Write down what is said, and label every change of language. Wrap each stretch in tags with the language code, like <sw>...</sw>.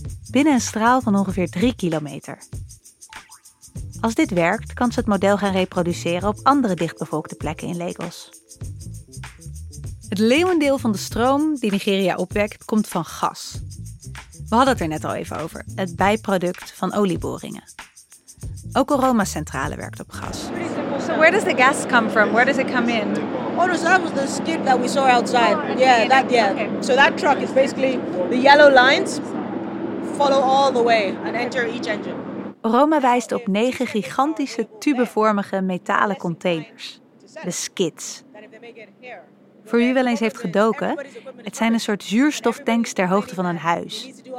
<nl>Binnen een straal van ongeveer 3 kilometer. Als dit werkt, kan ze het model gaan reproduceren op andere dichtbevolkte plekken in Lagos. Het leeuwendeel van de stroom die Nigeria opwekt, komt van gas. We hadden het er net al even over, het bijproduct van olieboringen. Ook Oroma's centrale werkt op gas.</nl> <en>So where does the gas come from? Where does it come in? Oh, no, so that was the skid that we saw outside. So that truck is basically the yellow lines follow all the way and enter each engine.</en> <nl>Oroma wijst op 9 gigantische tubevormige metalen containers, de skids. Voor wie wel eens heeft gedoken, het zijn een soort zuurstoftanks ter hoogte van een huis.</nl>